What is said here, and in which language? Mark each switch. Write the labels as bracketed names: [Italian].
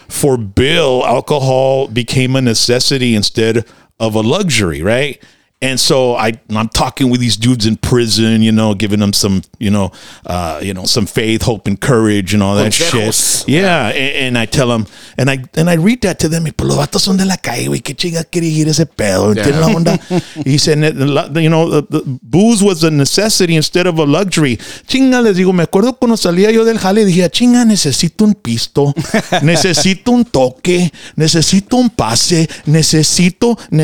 [English] for Bill, alcohol became a necessity instead of a luxury, right? And so I'm talking with these dudes in prison, you know, giving them some, you know, some faith, hope, and courage, and all that shit. Yeah, and I tell them, and I read that to them. [Spanish] Y por los vatos son de la calle, güey, qué chinga quiere ir ese pedo, ¿entiendes la onda? [English] He said, you know, the booze was a necessity instead of a luxury. [Spanish] Chinga, les digo, me acuerdo cuando salía yo del jale, dije, chinga, necesito un pisto, necesito un toque, necesito un pase, necesito.